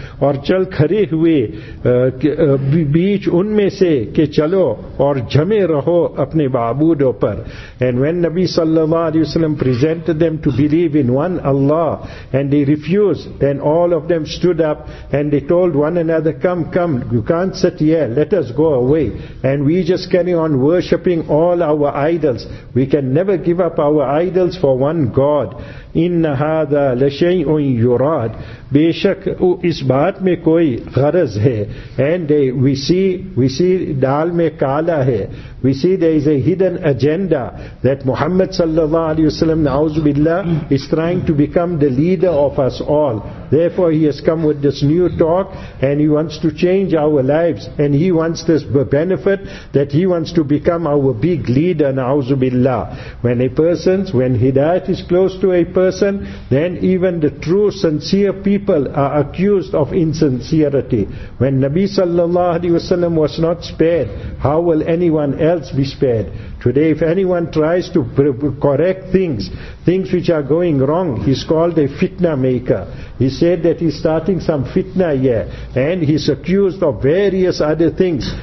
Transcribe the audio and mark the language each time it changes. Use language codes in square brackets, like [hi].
[ur] اور چل کھرے ہوئے بیچ ان میں سے کہ چلو اور جمے رہو اپنے معبودوں پر. [en] And when Nabi sallallahu alayhi wa sallam presented them to believe in one Allah and they refused, then all of them stood up and they told one another, come, you can't sit here, let us go away. And we just carry on worshipping all our idols. We can never give up our idols for one God. [ar] Inna hadha la shay'un yurad. [en] Beshak [ur] आपको इस बात में कोई गरज है [en] and we see [ur] दाल में काला है [en] We see there is a hidden agenda that Muhammad सल्लल्लाहु अलैहि वसल्लम नाउज़ बिल्ला is trying to become the leader of us all therefore he has come with this new talk and he wants to change our lives and he wants this benefit that he wants to become our big leader नाउज़ बिल्ला when a person when हिदायत is close to a person then even the true sincere people are accused of insincerity. When Nabi sallallahu alayhi wa sallam was not spared, how will anyone else be spared? Today, if anyone tries to correct things which are going wrong, he's called a fitna maker. He said that he's starting some fitna here, and he's accused of various other things.